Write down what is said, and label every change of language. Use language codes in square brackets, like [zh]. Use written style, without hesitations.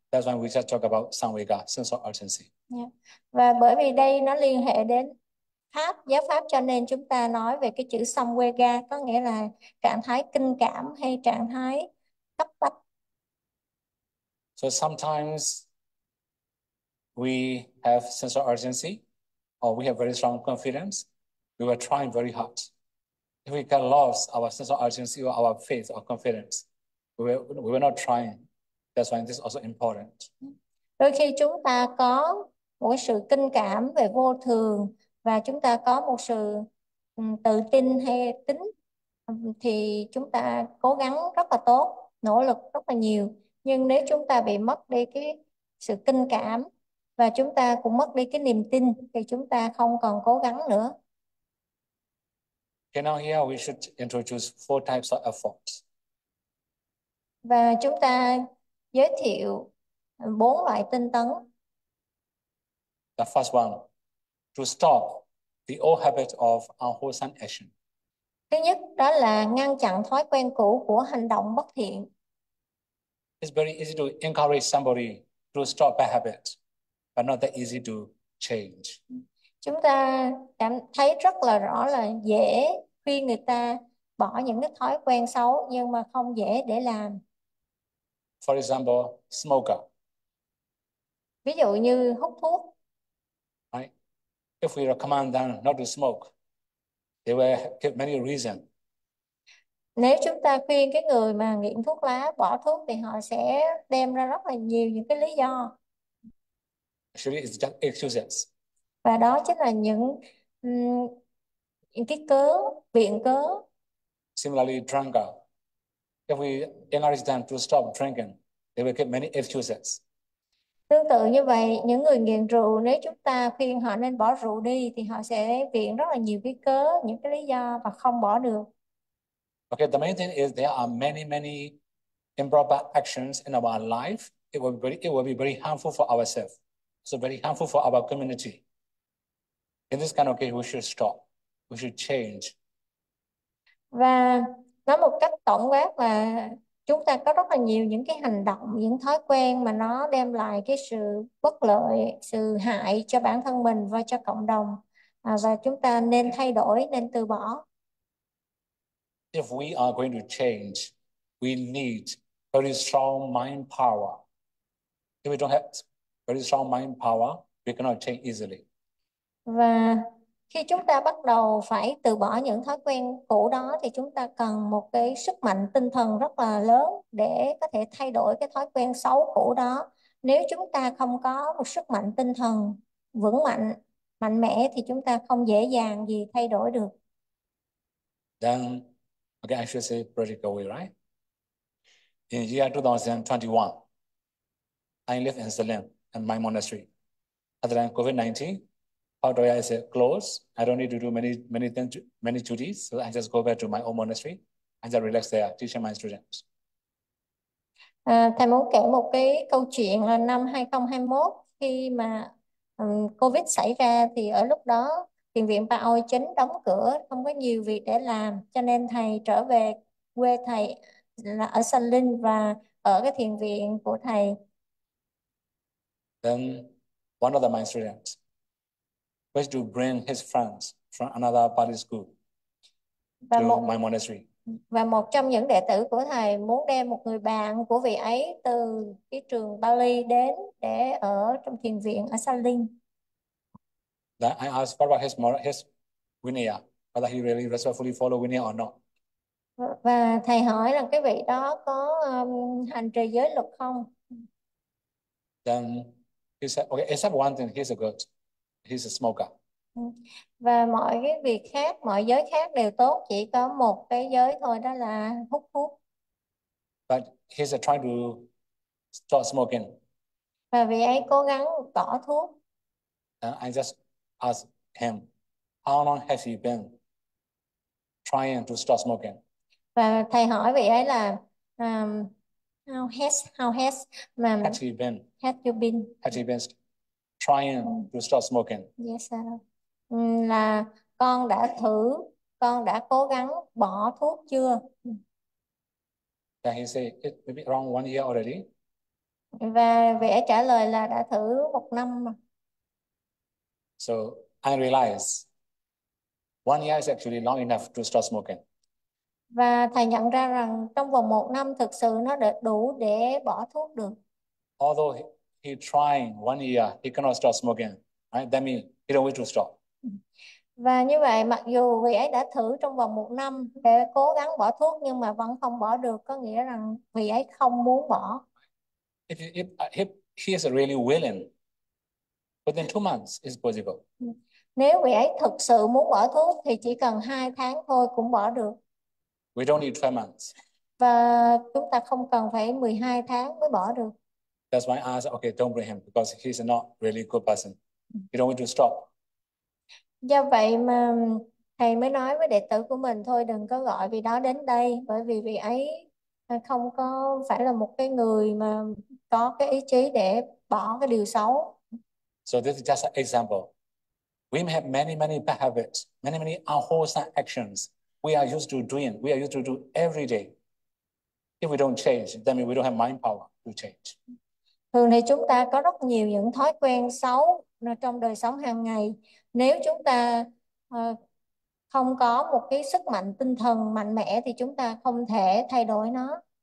[en] That's why we just talk about Samvega, sense of urgency. [vi] Và bởi vì đây nó liên hệ đến pháp, giáo pháp, cho nên chúng ta nói về cái chữ Samvega có nghĩa là trạng thái kinh cảm hay trạng thái cấp bách. [en] So sometimes we have sense of urgency or we have very strong confidence. We were trying very hard. If we can lose our sense of urgency or our faith or confidence, we were not trying. That's why this is also important. [vi] Đôi khi chúng ta có một sự kinh cảm về vô thường và chúng ta có một sự tự tin hay tính thì chúng ta cố gắng rất là tốt, nỗ lực rất là nhiều, nhưng nếu chúng ta bị mất đi cái sự kinh cảm và chúng ta cũng mất đi cái niềm tin thì chúng ta không còn cố gắng nữa. [en] Okay, now here we should introduce four types of effort. [vi] Và chúng ta giới thiệu bốn loại tinh tấn. [en] The first one, to stop the old habit of unwholesome action. [vi] Thứ nhất đó là ngăn chặn thói quen cũ của hành động bất thiện. [en] It's very easy to encourage somebody to stop bad habits, but not that easy to change. [vi] Chúng ta cảm thấy rất là rõ là dễ khuyên người ta bỏ những cái thói quen xấu nhưng mà không dễ để làm. [en] For example, smoker. [vi] Ví dụ như hút thuốc. [en] If we recommend them not to smoke, they will give many reasons. [vi] Nếu chúng ta khuyên cái người mà nghiện thuốc lá bỏ thuốc thì họ sẽ đem ra rất là nhiều những cái lý do. [en] Actually, it's just excuses. [vi] Và đó chính là những cái cớ, viện cớ. [en] Similarly, drunker. If we encourage them to stop drinking, they will get many excuses. [vi] Tương tự như vậy, những người nghiện rượu, nếu chúng ta khuyên họ nên bỏ rượu đi thì họ sẽ viện rất là nhiều cái cớ, những cái lý do và không bỏ được. [en] Okay, the main thing is there are many, many improper actions in our life. It will be very harmful for ourselves. So very harmful for our community. In this kind of case, we should stop. We should change. [vi] Và nói một cách tổng quát là chúng ta có rất là nhiều những cái hành động, những thói quen mà nó đem lại cái sự bất lợi, sự hại cho bản thân mình và cho cộng đồng. Và chúng ta nên thay đổi, nên từ bỏ. [en] If we are going to change, we need very strong mind power. If we don't have very strong mind power, we cannot change easily. [vi] Và khi chúng ta bắt đầu phải từ bỏ những thói quen cũ đó thì chúng ta cần một cái sức mạnh tinh thần rất là lớn để có thể thay đổi cái thói quen xấu cũ đó. Nếu chúng ta không có một sức mạnh tinh thần vững mạnh, mạnh mẽ thì chúng ta không dễ dàng gì thay đổi được. [en] Then, okay, I should say practical way, right? In year 2021, I live in Salem and my monastery. Other than COVID-19, Pattaya is closed. I don't need to do many, many things, many duties. So I just go back to my own monastery and just relax there, teaching my students. [vi] Thầy muốn kể một cái câu chuyện là năm 2021 khi mà COVID xảy ra thì ở lúc đó Thiền viện Ba Ôi Chính đóng cửa, không có nhiều việc để làm, cho nên thầy trở về quê thầy là ở Sa Linh và ở cái thiền viện của thầy. [en] Then one of my students wished to bring his friends from another party school [vi] Và [en] to [vi] một [en] my monastery. [vi] trong những đệ tử của thầy muốn đem một người bạn của vị ấy từ cái trường Bali đến để ở trong thiền viện ở Sa Linh. [en] Then I asked what about his Vinaya, whether he really respectfully follow Vinaya or not. [vi] Và thầy hỏi rằng cái vị đó có hành trì giới luật không? [en] Then he said, okay, except one thing, he's a good, he's a smoker. [vi] Và mọi cái việc khác, mọi giới khác đều tốt, chỉ có một cái giới thôi, đó là hút thuốc. [en] But he's trying to stop smoking. [vi] Và vị ấy cố gắng bỏ thuốc. [en] And I just asked him, how long has he been trying to stop smoking? [vi] Và thầy hỏi vị ấy là [en] Has he been? have you Has he been trying been? to stop smoking? [vi] Là con đã thử, con đã cố gắng bỏ thuốc chưa? [en] Then he say it may be around 1 year already. [vi] Và vẽ trả lời là đã thử một năm mà. [en] So I realize 1 year is actually long enough to stop smoking. [vi] Và thầy nhận ra rằng trong vòng một năm thực sự nó đã đủ để bỏ thuốc được. [en] Although he trying 1 year, he cannot stop smoking. Right? That means he don't wish to stop. [vi] Và như vậy mặc dù vị ấy đã thử trong vòng một năm để cố gắng bỏ thuốc nhưng mà vẫn không bỏ được, có nghĩa rằng vị ấy không muốn bỏ. [en] If he is really willing, within 2 months, it's possible. [vi] Nếu vị ấy thực sự muốn bỏ thuốc thì chỉ cần 2 tháng thôi cũng bỏ được. [en] We don't need 12 months. [vi] Và chúng ta không cần phải 12 tháng mới bỏ được. [en] That's why I asked, okay, don't bring him because he's not really good person. You don't want to stop. [vi] Do vậy mà thầy mới nói với đệ tử của mình thôi đừng có gọi vị đó đến đây, bởi vì vị ấy không có phải là một cái người mà có cái ý chí để bỏ cái điều xấu. [en] So this is just an example. We may have many, many bad habits, many, many unwholesome actions. we are used to doing, we are used to do every day. If we don't change, that means we don't have mind power to change. [vi] Thường thì chúng ta có rất nhiều những thói quen xấu trong đời sống hàng ngày. Nếu chúng ta không có một cái sức mạnh tinh thần mạnh mẽ thì chúng ta không thể thay đổi nó.